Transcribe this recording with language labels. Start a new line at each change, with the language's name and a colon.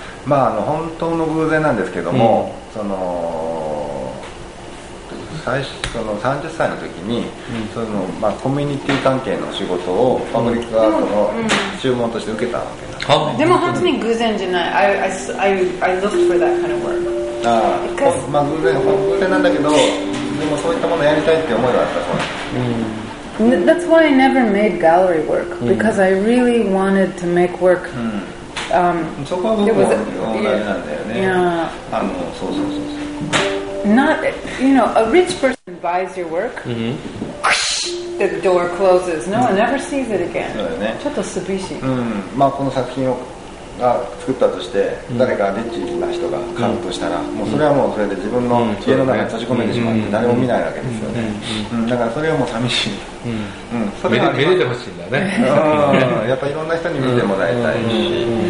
Japanese: まあ、本当の偶然なんですけども、その最初その30歳の時に、その、コミュニティ関係の仕事をパブリックアートの注文として受けたわけだ。でも本当に偶然じゃない。
English: I looked for that kind of work.
Japanese: Because 偶然なんだけど、でもそういったものをやりたいって思いがあったから。
English: That's why I never made gallery work because I really wanted to make work.
Japanese: そこは僕も同じなんだよね。そう。
English: Not, you know, a rich person buys your work, the door closes. No one ever sees it again.
Japanese: そうだね。ちょっと寂しい。この作品を作ったとして、誰かリッチな人が買うとしたら、もうそれはもうそれで自分の家の中に閉じ込めてしまって、誰も見ないわけですよね。だからそれはもう寂しい。それは見れてほしいんだね。やっぱいろんな人に見てもらいたいし。